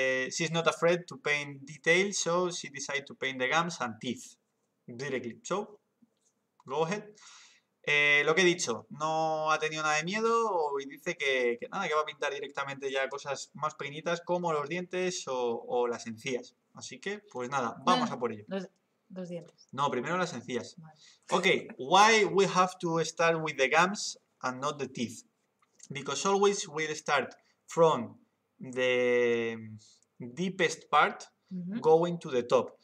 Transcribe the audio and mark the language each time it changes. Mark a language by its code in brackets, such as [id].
[en] She's not afraid to paint details, so she decided to paint the gums and teeth directly. So, go ahead. [es] Lo que he dicho, no ha tenido nada de miedo y dice que nada, que va a pintar directamente ya cosas más pequeñitas como los dientes o las encías. Así que, pues nada, vamos a por ello. Los dientes. No, primero las encías. Vale. [en] Okay, why we have to start with the gums and not the teeth? Because always we start from the deepest part, mm-hmm, going to the top.